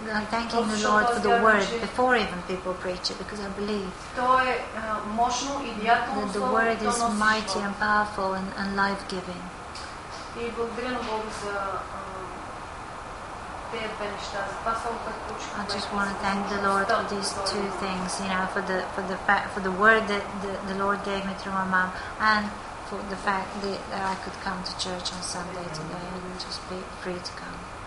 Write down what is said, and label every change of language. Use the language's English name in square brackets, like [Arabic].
[English] thanking the Lord for the word before even people preach it, because I believe that the word is mighty and powerful and life-giving. [Bulgarian] И благодаря на Бога за тези две неща. За това само как получихме. [English] I just want to thank the Lord for these two things, you know, for the word that the Lord gave me through my mom, and for the fact that I could come to church on Sunday today and just be free to come.